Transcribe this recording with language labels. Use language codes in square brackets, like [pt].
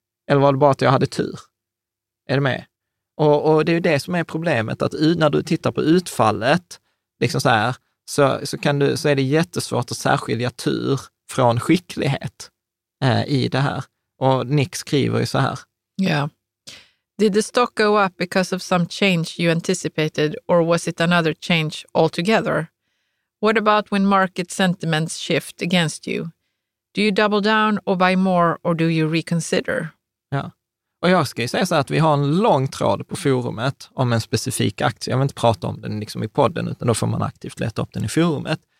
[sv] Eller var det bara att jag hade tur? Är du med? Och det är ju det som är problemet, att när du tittar på utfallet, liksom så här, så är det jättesvårt att särskilja tur från skicklighet i det här. Och Nick skriver ju så här. [en] Yeah. Did the stock go up because of some change you anticipated, or was it another change altogether? What about when market sentiments shift against you? Do you double down or buy more, or do you reconsider? [sv] Ja. Och jag ska ju säga så här, att vi har en lång tråd på forumet om en specifik aktie. Jag vill inte prata om den liksom i podden, utan då får man aktivt leta upp den i forumet.